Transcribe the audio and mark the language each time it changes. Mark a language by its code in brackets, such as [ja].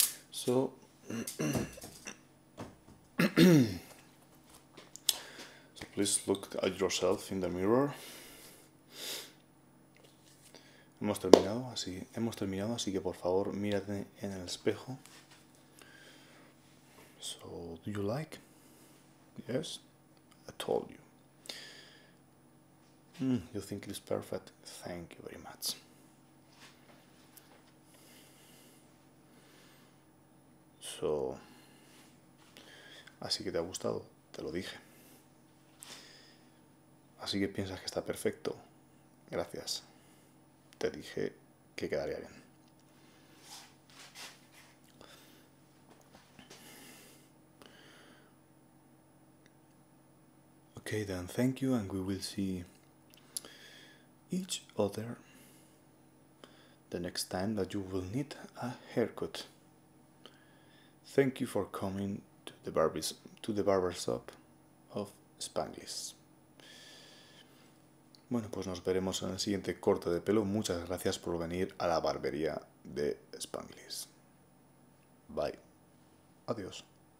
[en] So, so please look at yourself in the mirror. [es] Hemos terminado, así que por favor mírate en el espejo. [en] So, do you like? Yes, I told you. You think it's perfect? Thank you very much. [es] So, así que te ha gustado, te lo dije. Así que piensas que está perfecto. Gracias. Te dije que quedaría bien. [en] Okay, then thank you, and we will see each other the next time that you will need a haircut. Thank you for coming to the barbers shop of Spanglish. [es] Bueno, pues nos veremos en el siguiente corte de pelo. Muchas gracias por venir a la barbería de Spanglish. Bye. Adiós.